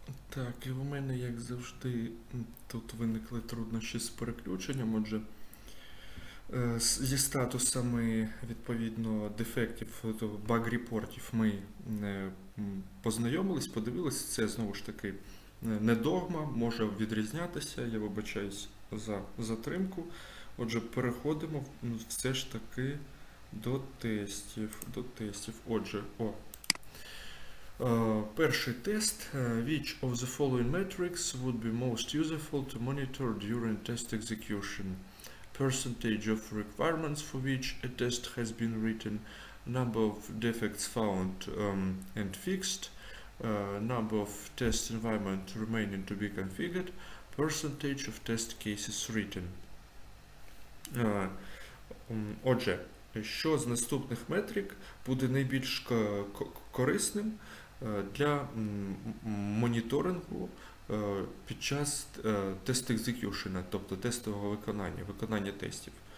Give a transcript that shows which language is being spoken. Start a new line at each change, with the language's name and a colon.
Ukrainian: Так, і у мене, як завжди, тут виникли труднощі з переключенням, отже, зі статусами відповідно дефектів, то баг-репортів ми познайомились, подивилися. Це знову ж таки не догма, може відрізнятися. Я вибачаюсь за затримку. Отже, переходимо все ж таки до тестів. До тестів. Отже, о. Перший тест.
English: Which of the following metrics would be most useful to monitor during test execution? Percentage of requirements for which a test has been written, number of defects found and fixed, number of test environment remaining to be configured, percentage of test cases written.
Ukrainian: Отже, що з наступних метрик буде найбільш корисним для моніторингу під час тест екзекюшена, тобто тестового виконання, виконання тестів.